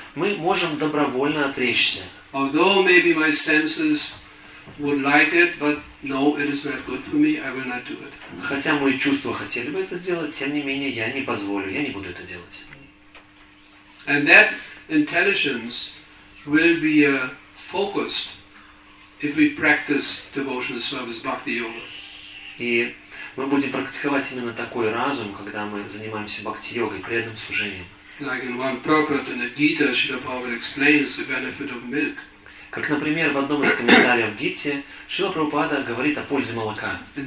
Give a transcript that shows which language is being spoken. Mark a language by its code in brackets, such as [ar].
[ru] Мы можем добровольно отречься. [en] Although maybe my senses would like it, but no, it is not good for me, I will not do it. [ru] Хотя мои чувства хотели бы это сделать, тем не менее, я не позволю, я не буду это делать. [en] And that intelligence will be focused if we practice devotional service, bhakti yoga. [ru] И мы будем практиковать именно такой разум, когда мы занимаемся бхакти-йогой, преданным служением. [en] Like in one purport in the Gita, Śrīla Prabhupāda explains the benefit of milk. [ru] Как, например, в одном из комментариев в Гите Шрила Прабхупада говорит о пользе молока.